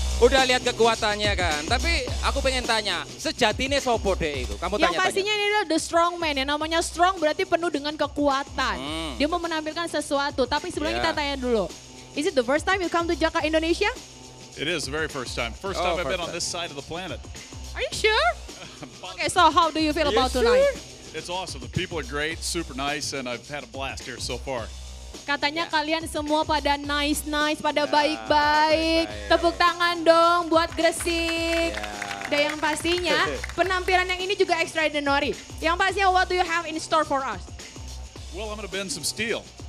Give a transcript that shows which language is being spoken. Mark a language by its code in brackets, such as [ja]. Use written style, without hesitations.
[id] Udah lihat kekuatannya kan, tapi aku pengen tanya, [jv] sejatinya sopo deh itu? [id] Kamu tanya-tanya. Ya pastinya ini adalah The Strongman, yang namanya strong berarti penuh dengan kekuatan. Dia mau menampilkan sesuatu, tapi sebelumnya kita tanya dulu. [en] Is it the first time you come to Jakarta, Indonesia? It is the very first time. First time I've been on this side of the planet. Are you sure? Okay, so how do you feel about tonight? It's awesome. The people are great, super nice, and I've had a blast here so far. [id] Katanya kalian semua pada nice-nice, pada baik-baik. Tepuk tangan dong buat Gresik. Dan yang pastinya penampilan yang ini juga extraordinary. Yang pastinya, [en] what do you have in store for us? Well, I'm gonna bend some steel.